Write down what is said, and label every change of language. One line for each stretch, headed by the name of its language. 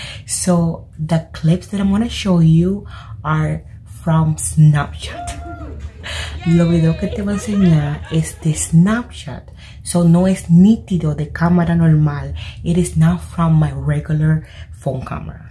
English: So, the clips that I'm going to show you are from Snapchat.
Spanish: Lo video que te voy a enseñar es de Snapchat. So no es nítido de cámara normal.
English: It is not from my regular phone camera.